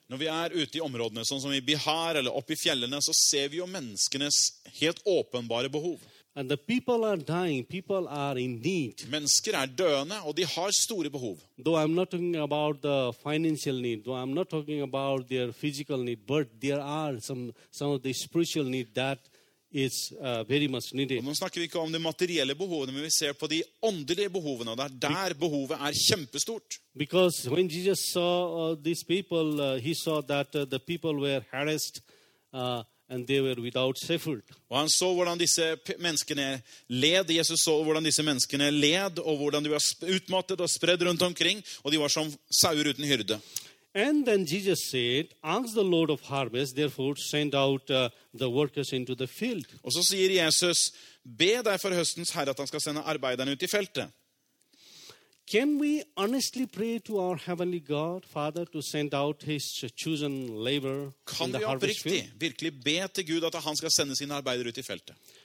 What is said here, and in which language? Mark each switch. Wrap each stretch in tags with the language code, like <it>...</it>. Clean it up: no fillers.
<sv>När vi är ute i områdena sånt som i Bihar eller upp i fjällena så ser vi ju människornas helt uppenbara behov.</sv> <en>And the people are dying, people are in need.</en> <sv>Människor är döende och de har stora behov.</sv> <en>Though I'm not talking about the financial need, though I'm not talking about their physical need, but there are some of the spiritual need that is very much needed.</en> <sv>Och nu snackar vi inte om de materiella behoven, men vi ser på de andliga behoven och där behovet är jättestort.</sv> <en>Because when Jesus saw these people, he saw that the people were harassed and they were without shepherd.</en> <sv>Och han såg hur dessa människor led. Jesus såg hur dessa människor led och hur de var utmattade och spred runt omkring och de var som sauer utan hyrde.</sv> <en>And then Jesus said, ask the Lord of harvest, therefore send out the workers into the field.</en> <sv>Och så säger Jesus, be därför höstens herre att han ska sända arbetarna ut i fältet.</sv> <en>Can we honestly pray to our heavenly God, Father, to send out his chosen labor in the harvest field?</en> <sv>Kan vi verkligen be till Gud att han ska sända sina arbetare ut i fältet?</sv>